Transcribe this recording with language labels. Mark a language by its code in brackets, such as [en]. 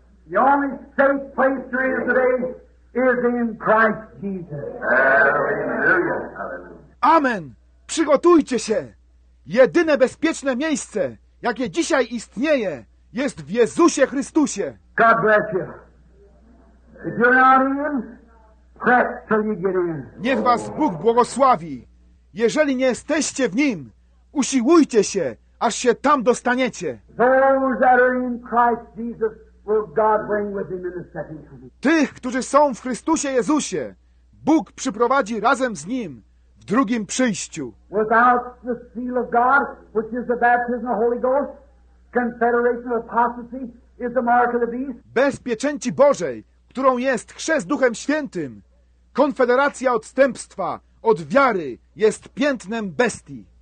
[en] The only safe place there is today is in Christ Jesus. [pl] Hallelujah. Amen. Przygotujcie się. Jedyne bezpieczne miejsce, jakie dzisiaj istnieje, jest w Jezusie Chrystusie. [en] God bless you. If you're not in, press till you get in. [pl] Niech was Bóg błogosławi. Jeżeli nie jesteście w Nim, usiłujcie się, aż się tam dostaniecie. [en] Those that are in Christ Jesus will God bring with him in the second coming. [pl] Tych, którzy są w Chrystusie Jezusie, Bóg przyprowadzi razem z Nim w drugim przyjściu. [en] Without the seal of God, which is the baptism of the Holy Ghost, confederation of apostasy is the mark of the beast. [pl] Bez pieczęci Bożej, którą jest chrzest Duchem Świętym, konfederacja odstępstwa od wiary jest piętnem bestii.